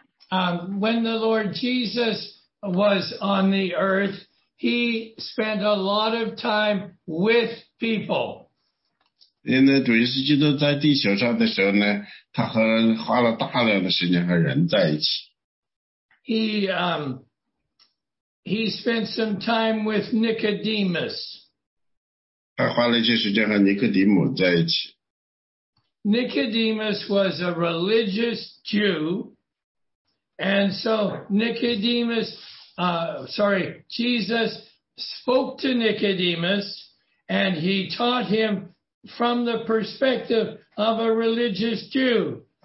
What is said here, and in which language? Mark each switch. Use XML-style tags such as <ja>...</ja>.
<en>When the Lord Jesus was on the earth, he spent a lot of time with people.</en> <zh>因为主耶稣基督在地球上的时候呢, 他花了大量的时间和人在一起。</zh> <en>He spent some time with Nicodemus.</en> <zh>他花了一些时间和尼哥底母在一起。</zh> <en>Nicodemus was a religious Jew, and so Jesus spoke to Nicodemus, and he taught him from the perspective of a religious Jew.</en>